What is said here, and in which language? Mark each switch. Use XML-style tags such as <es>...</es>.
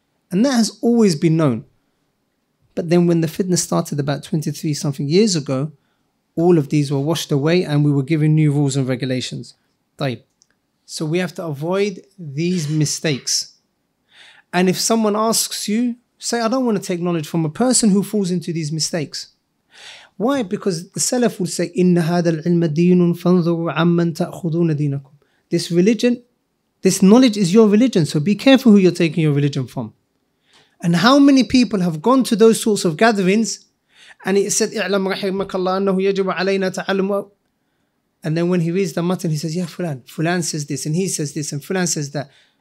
<en>And that has always been known. But then when the fitna started about 23 something years ago, all of these were washed away and we were given new rules and regulations. Taib. So we have to avoid these mistakes. And if someone asks you, say, I don't want to take knowledge from a person who falls into these mistakes. Why? Because the Salaf will say,</en> <ar>إِنَّ هَذَا الْعِلْمَ دِينٌ فَانْظُرُوا عَمَّنْ تَأْخُذُونَ دِينَكُمْ.</ar> <en>This religion, this knowledge is your religion. So be careful who you're taking your religion from. And how many people have gone to those sorts of gatherings and it said,</en> <ar>إِعْلَمْ رَحِمَكَ اللَّهُ أَنَّهُ يَجِبُ عَلَيْنَا تَعَلُمُوا.</ar> <en>And then when he reads the matan, he says, yeah, Fulan says this, and he says this, and Fulan says that.</en>